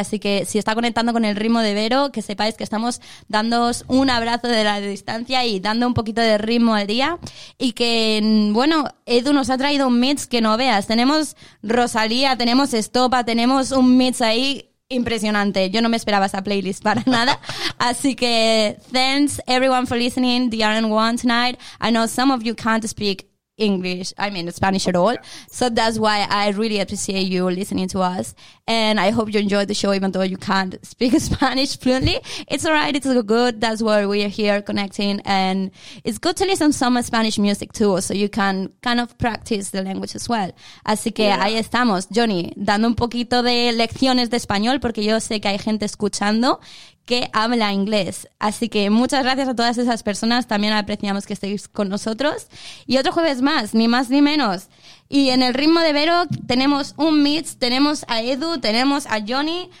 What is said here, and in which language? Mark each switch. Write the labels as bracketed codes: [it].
[es] Así que si está conectando con el ritmo de Vero, que sepáis que estamos dándoos un abrazo de la distancia y dando un poquito de ritmo al día. Y que, bueno, Edu nos ha traído un mix que no veas. Tenemos Rosalía, tenemos Estopa, tenemos un mix ahí impresionante. Yo no me esperaba esa playlist para nada. Así que [en] thanks everyone for listening to DRN1 tonight. I know some of you can't speak English, I mean Spanish at all. So that's why I really appreciate you listening to us. And I hope you enjoyed the show even though you can't speak Spanish fluently. It's alright, it's good. That's why we are here connecting. And it's good to listen to some Spanish music too, so you can kind of practice the language as well. [es] Así que yeah, ahí estamos, Johnny, dando un poquito de lecciones de español, porque yo sé que hay gente escuchando que habla inglés. Así que muchas gracias a todas esas personas. También apreciamos que estéis con nosotros. Y otro jueves más ni menos. Y en el ritmo de Vero tenemos un mix, tenemos a Edu, tenemos a Johnny.